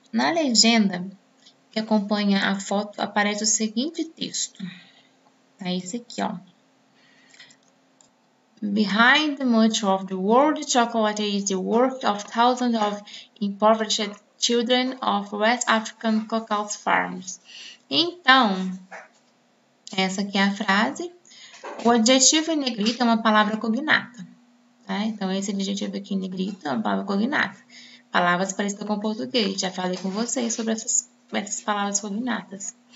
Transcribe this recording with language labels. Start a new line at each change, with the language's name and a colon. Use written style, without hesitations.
Portuguese: Na legenda que acompanha a foto, aparece o seguinte texto. É esse aqui, ó.
English: Behind much of the world chocolate is the work of thousands of impoverished children of West African cacao farms.
Portuguese: Então, essa aqui é a frase. O adjetivo em negrito é uma palavra cognata. Né? Então, esse adjetivo aqui em negrito é uma palavra cognata. Palavras parecidas com o português. Já falei com vocês sobre essas palavras cognatas.